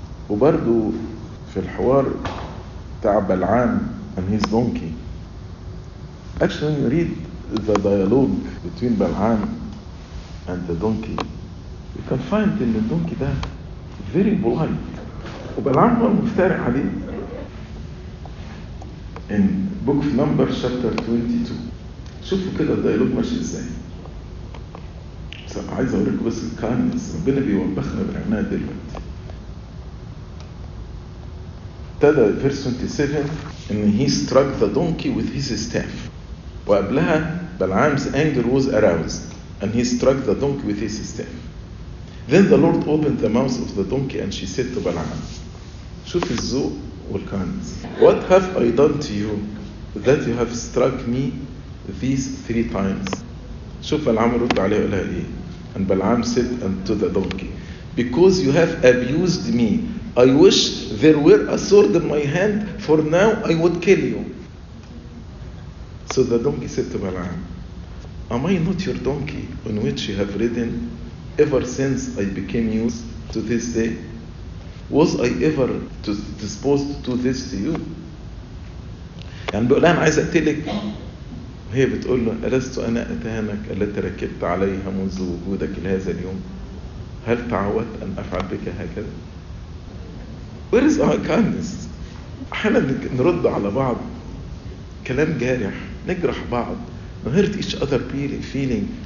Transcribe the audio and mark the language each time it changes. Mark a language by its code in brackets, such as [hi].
[ar] وبرضو في الحوار بتاع بلعام [en] and his donkey. Actually, when you read the dialogue between Balaam and the donkey, you can find that the donkey [ar] ده [en] very polite. [ar] وبلعام هو المفترع عليه. [en] In book of Numbers chapter 22. [ar] شوفوا كده الديالوج ماشي ازاي. عايز أوريكم بس الكاينس ربنا بيوبخنا بالعناية دلوقتي. تدى [en] verse 27 [ar] إن [en] he struck the donkey with his staff. [ar] وقبلها [en] Balaam's anger was aroused and he struck the donkey with his staff. Then the Lord opened the mouth of the donkey and she said to Balaam, [ar] شوف الذوق والكاينس. [en] What have I done to you that you have struck me these three times? [ar] شوف بلعام رد عليه قالها إيه. [en] And Balaam said unto the donkey, because you have abused me, I wish there were a sword in my hand, for now I would kill you. So the donkey said to Balaam, am I not your donkey on which you have ridden ever since I became used to this day? Was I ever disposed to this to you? [ar] يعني بيقول لها انا عايز اقتلك وهي بتقول له ألست انا اتهانك التي ركبت عليها منذ وجودك لهذا اليوم؟ هل تعودت ان افعل بك هكذا؟ [en] Where is our kindness؟ [ar] احنا نرد على بعض كلام جارح، نجرح بعض، نهرت [en] each other feeling.